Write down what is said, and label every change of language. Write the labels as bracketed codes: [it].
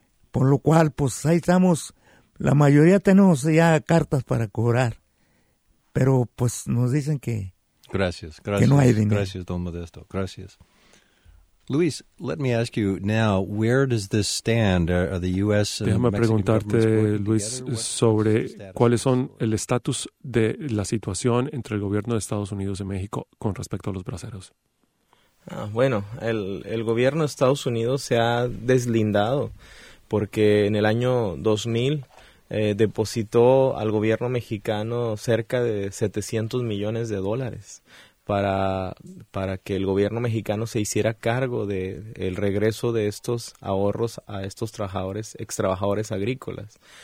[es] Por lo cual, pues ahí estamos, la mayoría tenemos ya cartas para cobrar, pero pues nos dicen que Gracias, no hay dinero. Gracias, Don Modesto. Gracias. [en] Luis, let me ask you now, where does this stand? Are the U.S. and [es] Déjame preguntarte, Luis, sobre cuáles son el estatus de la situación entre el gobierno de Estados Unidos y México con respecto a los braceros. Bueno, el gobierno de Estados Unidos se ha deslindado porque en el año 2000 depositó al gobierno mexicano cerca de $700 millones para que el gobierno mexicano se hiciera cargo del regreso de estos ahorros a estos trabajadores, extrabajadores agrícolas.